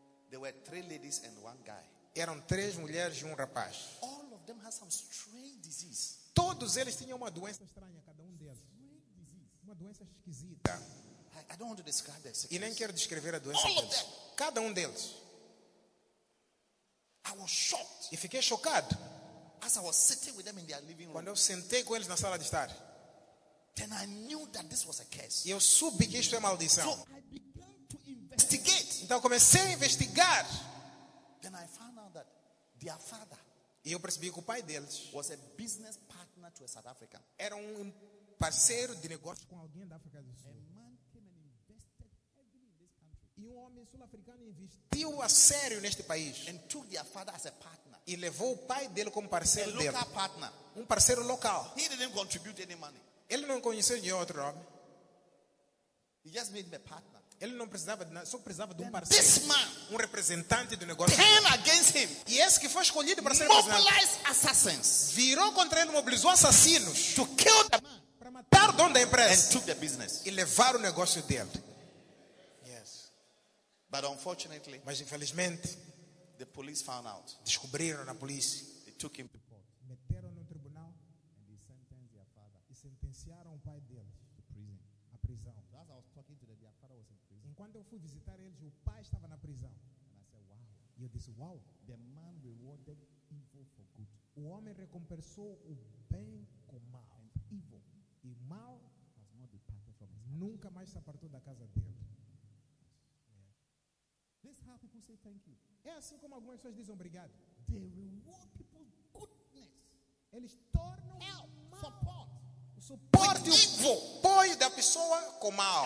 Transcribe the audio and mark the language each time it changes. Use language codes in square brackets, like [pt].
[en] There were 3 ladies and 1 guy. [pt] Eram 3 mulheres e 1 rapaz. [en] All of them had some strange disease. [pt] Todos eles tinham uma doença estranha, cada deles. [en] Strange disease. [pt] Uma doença esquisita. [en] I don't want to describe their sickness. [pt] E nem quero descrever a doença deles. Cada deles. [en] I was shocked. [pt] E fiquei chocado. [en] As I was sitting with them in their living room. [pt] Quando eu sentei com eles na sala de estar. [en] Then I knew that this was a curse. [pt] E eu soube que isto é maldição. [en] So I began to investigate. [pt] Então comecei a investigar. [en] Then I found out that their father. [pt] E eu percebi que o pai deles [en] was a business partner to a South African. [pt] Era parceiro de negócio com alguém da África do Sul. E homem sul-africano investiu a sério neste país. [en] And took their father as a partner. [pt] E levou o pai dele como parceiro local dele. [en] Partner. [pt] Parceiro local. [en] He didn't contribute any money. [pt] Ele não conheceu nenhum outro homem. [en] He just made him a partner. [pt] Ele não precisava de nada, só precisava [en] then [pt] de parceiro. [en] This man, [pt] representante do negócio. [en] Came against him. [pt] E esse que foi escolhido para ser [en] mobilized assassins. [pt] Virou contra ele, mobilizou assassinos. [en] To kill the man. [pt] Para matar o dono da empresa. [en] And took the business. [pt] E levar o negócio dele. [en] But unfortunately, [pt] mas infelizmente, [en] the police found out. [pt] Descobriram na polícia. [en] They took him to court. [pt] Meteram no tribunal and they sentenced their father. E sentenciaram o pai deles to prison. A prisão. [en] So as I was talking to them, their father was in prison. [pt] Enquanto eu fui visitar eles, o pai estava na prisão. [en] And I said, wow. E eu disse, wow. The man rewarded evil for good. [pt] O homem recompensou o bem com mal. [en] And evil. [pt] E mal [en] has not departed from his [pt] nunca mais se apartou da casa dele. [en] This is how people say thank you. [pt] É assim como algumas pessoas dizem obrigado. [en] They reward people's goodness. [pt] Eles tornam [en] help, support. [pt] O suporte e o apoio da pessoa com mal.